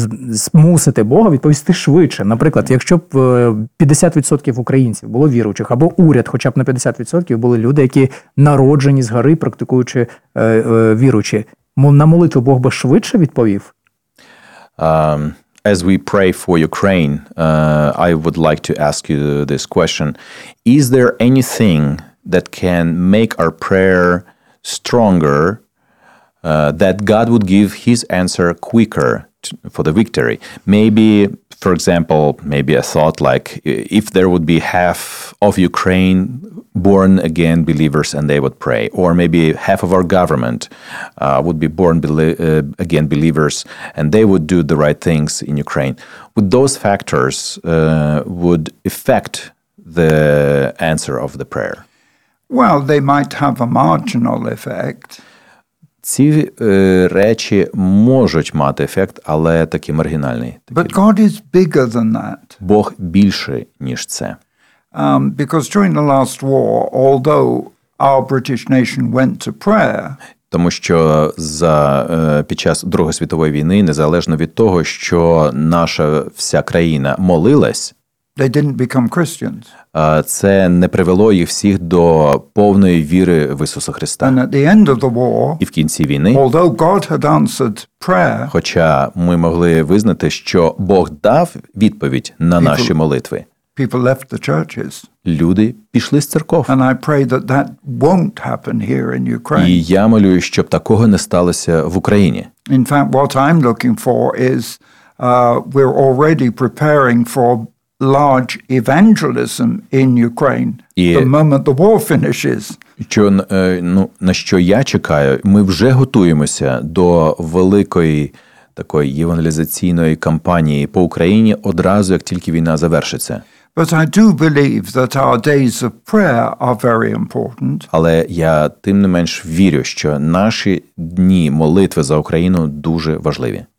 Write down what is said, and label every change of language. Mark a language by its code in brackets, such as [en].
[uk] змусити Бога відповісти швидше. Наприклад, якщо б 50% українців було віруючих, або уряд хоча б на 50% були люди, які народжені згори, практикуючи віруючі, на молитву Бог би швидше відповів? [en] As we pray for Ukraine, I would like to ask you this question. Is there anything that can make our prayer stronger, that God would give his answer quicker for the victory? Maybe, for example, maybe a thought like, if there would be half of Ukraine born again believers and they would pray, or maybe half of our government would be born again believers and they would do the right things in Ukraine. Would those factors would affect the answer of the prayer? Well, they might have a marginal effect. [uk] Ці речі можуть мати ефект, але такі маргінальні. [en] But God is bigger than that. [uk] Бог більше, ніж це. [en] Because during the last war, although our British nation went to prayer, [uk] тому що за під час Другої світової війни, незалежно від того, що наша вся країна молилась, [en] they didn't become Christians. [uk] Це не привело їх всіх до повної віри в Ісуса Христа. [en] And at the end of the war, [uk] і в кінці війни, [en] although God had answered prayer, [uk] хоча ми могли визнати, що Бог дав відповідь на наші молитви, [en] people left the churches. [uk] Люди пішли з церков. [en] And I pray that that won't happen here in Ukraine. [uk] І я молюсь, щоб такого не сталося в Україні. [en] In fact, what I'm looking for is we're already preparing for large evangelism in Ukraine the moment the war finishes. [uk] На що я чекаю? Ми вже готуємося до великої такої євангелізаційної кампанії по Україні одразу, як тільки війна завершиться. [en] But I do believe that our days of prayer are very important. [uk] Але я тим не менш вірю, що наші дні молитви за Україну дуже важливі.